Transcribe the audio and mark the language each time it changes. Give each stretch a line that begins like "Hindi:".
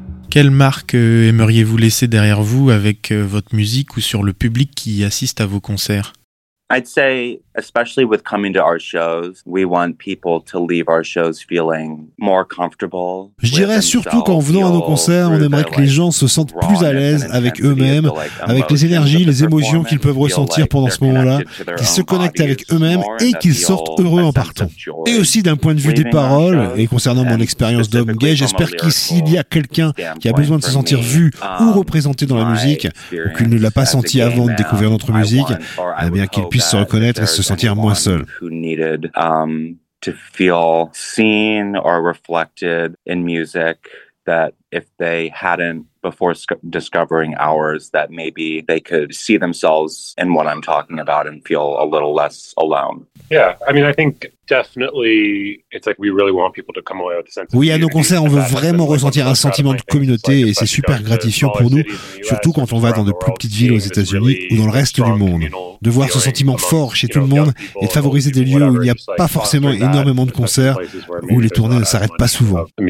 French: Quelle marque aimeriez-vous laisser derrière vous avec votre musique ou sur le public qui assiste à vos concerts ?
English: I'd say, especially with coming to our shows, we want people to leave our shows feeling more comfortable.
French: Je dirais surtout qu'en venant à nos concerts, on aimerait que les gens se sentent plus à l'aise avec eux-mêmes, avec les énergies, les émotions qu'ils peuvent ressentir pendant ce moment-là, qu'ils se connectent avec eux-mêmes et qu'ils sortent heureux en partant. Et aussi d'un point de vue des paroles, et concernant mon expérience d'homme gay, j'espère qu'il y a quelqu'un qui a besoin de se sentir vu ou représenté dans la musique, ou qu'il ne l'a pas senti avant de découvrir notre musique, eh bien qu'il puisse se reconnaître et se sentir moins seul.
English: Who needed to feel seen or reflected in music that if they hadn't before discovering ours, that maybe they could see themselves in what I'm talking about and feel a little less alone. Yeah, I mean, I think definitely it's like we really want people to come away with a sense.
French: Oui, à nos concerts, on veut vraiment ressentir un sentiment de communauté et c'est super gratifiant pour nous, surtout quand on va dans de plus petites villes aux États-Unis ou dans le reste du monde. De voir ce sentiment fort chez tout le monde et de favoriser des lieux où il n'y a pas forcément énormément de concerts, où les tournées ne s'arrêtent pas souvent.